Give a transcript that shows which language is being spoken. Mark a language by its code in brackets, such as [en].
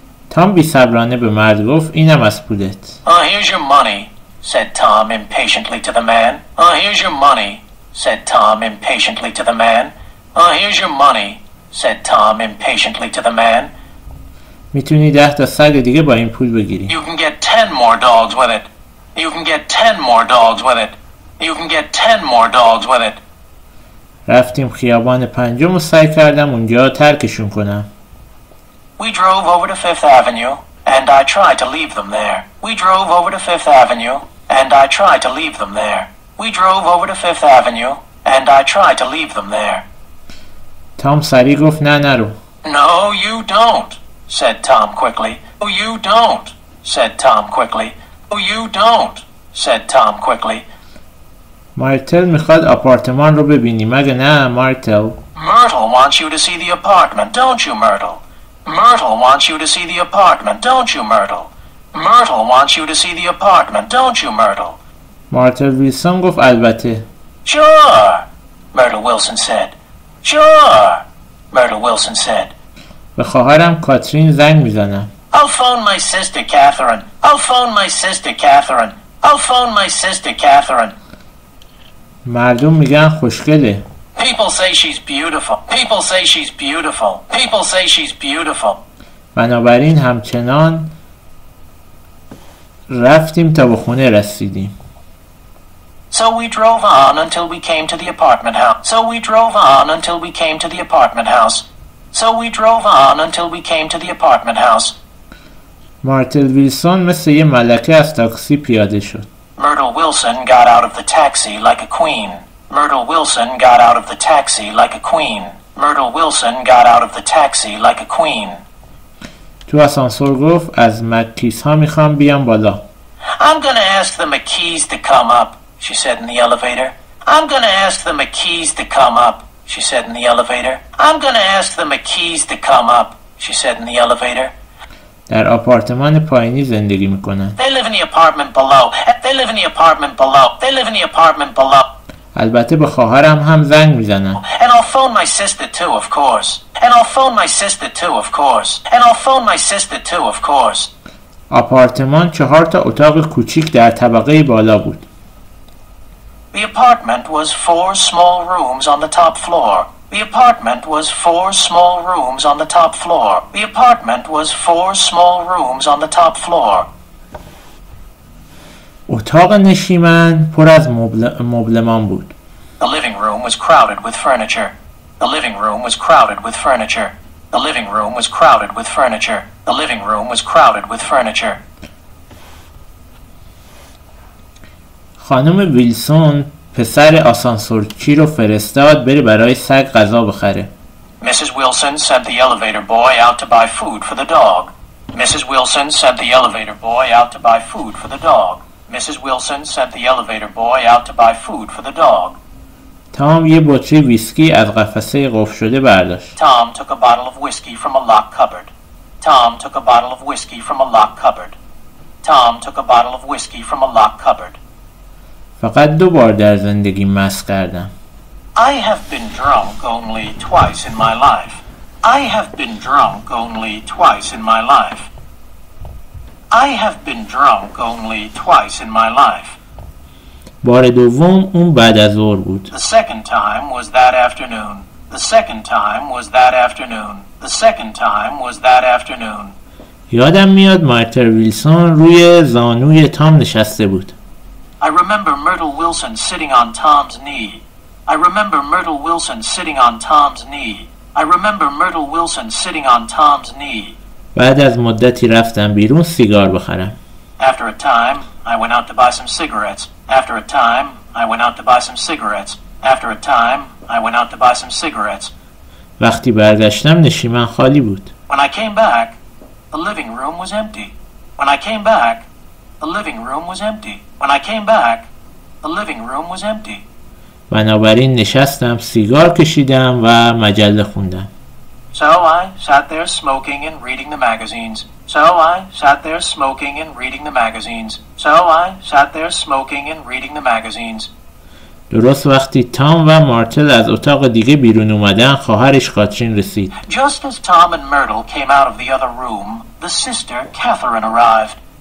[fa] تام بی‌صبرانه به مرد گفت اینم از پولت. [en] Oh, here's your money, said Tom impatiently to the man. Oh, here's your money, said Tom impatiently to the man. Oh, here's your money, said Tom impatiently to the man. [fa] میتونی 10 تا سگ دیگه با این پول بگیری. [en] You can get 10 more dogs with it. You can get 10 more dogs with it. You can get 10 more dogs with it. [fa] رفتیم خیابان پنجم و سعی کردم اونجا ترکشون کنم. [en] We drove over to 5th Avenue and I tried to leave them there. We drove over to 5th Avenue and I tried to leave them there. We drove over to 5th Avenue and I tried to leave them there. [fa] Tom سری گفت نه نرو. [en] No, you don't, said Tom quickly. Oh, you don't, said Tom quickly. Oh, you don't, said Tom quickly. [fa] مارتل میخواد آپارتمان رو ببینی مگه نه مارتل؟ [en] Myrtle wants you to see the apartment, don't you, Myrtle? Myrtle wants you to see the apartment, don't you, Myrtle? Myrtle wants you to see the apartment, don't you, Myrtle? [fa] مارتل ویلسون گفت البته. [en] Sure, Myrtle Wilson said. Sure, Myrtle Wilson said. [fa] به خواهرم کاترین زنگ میزنم. [en] I'll phone my sister Catherine. I'll phone my sister Catherine. I'll phone my sister Catherine. [fa] مردم میگن خوشگله. [en] People say she's beautiful. People say she's beautiful. People say she's beautiful. [fa] بنابراین همچنان رفتیم تا به خونه رسیدیم. [en] So we drove on until we came to the apartment house. So we drove on until we came to the apartment house. So we drove on until we came to the apartment house. [fa] مارتل ویلسون مثل یه ملکه از تاکسی پیاده شد. [en] Myrtle Wilson got out of the taxi like a queen. Myrtle Wilson got out of the taxi like a queen. Myrtle Wilson got out of the taxi like a queen. [fa] تو آسانسور گفت از مکیس ها میخوام بیام بالا. [en] I'm gonna ask the McKees to come up, she said in the elevator. I'm gonna ask the McKees to come up, she said in the elevator. I'm gonna ask the McKees to come up, she said in the elevator. [fa] در آپارتمان پایینی زندگی میکنن. [en] They live in the apartment below. They live in the apartment below. They live in the apartment below. [fa] البته به خواهرم هم زنگ میزنن. [en] And I'll phone my sister too, of course. And I'll phone my sister too, of course. And I'll phone my sister too, of course. [fa] آپارتمان 4 تا اتاق کوچیک در طبقه بالا بود. [en] The apartment was 4 small rooms on the top floor. The apartment was 4 small rooms on the top floor. The apartment was 4 small rooms on the top floor. [fa] اتاق نشیمن پر از مبلمان بود. [en] The living room was crowded with furniture. The living room was crowded with furniture. The living room was crowded with furniture. The living room was crowded with furniture. [fa] خانم ویلسون پسر آسانسورچی رو فرستاد بره برای سگ غذا بخره. [en] Mrs. Wilson sent the elevator boy out to buy food for the dog. Mrs. Wilson sent the elevator boy out to buy food for the dog. Mrs. Wilson sent the elevator boy out to buy food for the dog. [fa] Tom یه بطری ویسکی از قفسه قفل شده برداشت. [en] Tom took a bottle of whiskey from a locked cupboard. Tom took a bottle of whiskey from a locked cupboard. Tom took a bottle of whiskey from a locked cupboard. [fa] فقط دو بار در زندگی مست کردم. [en] I have been drunk only twice in my life. I have been drunk only twice in my life. I have been drunk only twice in my life. [fa] بار دوم اون بعد از ظهر بود. [en] The second time was that afternoon. The second time was that afternoon. The second time was that afternoon. [fa] یادم میاد مارتل ویلسون روی زانوی تام نشسته بود. [en] I remember Myrtle Wilson sitting on Tom's knee. I remember Myrtle Wilson sitting on Tom's knee. I remember Myrtle Wilson sitting on Tom's knee. [fa] بعد از مدتی رفتم بیرون سیگار بخرم. [en] After a time, I went out to buy some cigarettes. After a time, I went out to buy some cigarettes. After a time, I went out to buy some cigarettes. [fa] وقتی برگشتم نشیمن خالی بود. [en] When I came back, the living room was empty. When I came back, the living room was empty. When I came back, the living room was empty. [fa] بنابراین نشستم سیگار کشیدم و مجله خوندم. [en] So I sat there smoking and reading the magazines. [fa] درست وقتی تام و مارتل از اتاق دیگه بیرون اومدن خواهرش کاترین رسید. [en] Just as Tom and Myrtle came out of the other room, the sister Catherine arrived.